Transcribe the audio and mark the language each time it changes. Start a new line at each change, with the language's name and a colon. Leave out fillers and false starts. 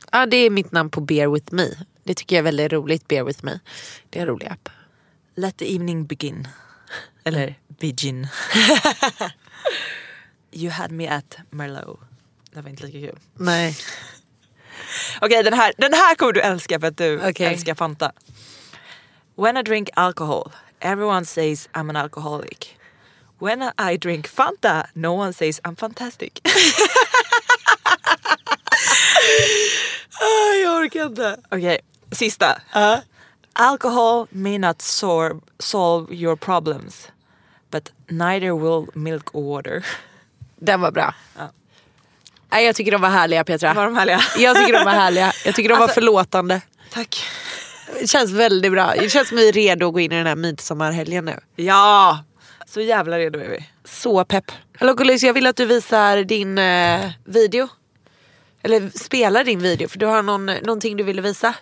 Swedish: Ja, det är mitt namn på Beer With Me. Det tycker jag är väldigt roligt, Beer With Me. Det är en rolig app.
English: Let the evening begin. Eller begin. You had me at Merlot. Det var inte lika kul.
Swedish: Nej. Okej, okay, den här kommer du älska för att du älskar Fanta.
English: When I drink alcohol, everyone says I'm an alcoholic. When I drink Fanta, no one says I'm fantastic.
Swedish: Jag orkar inte. Okej, sista.
English: Alcohol may not solve your problems, but neither will milk or water.
Swedish: Den var bra. Ja. Nej, jag tycker de var härliga, Petra. Var de härliga? Jag tycker de var härliga. Jag tycker de var förlåtande. Tack. Det känns väldigt bra. Det känns som vi är redo att gå in i den här midsommarhelgen nu. Ja, så jävla redo är vi. Så pepp. Hallå Gullis, jag vill att du visar din video. Eller spelar din video, för du har någonting du ville visa.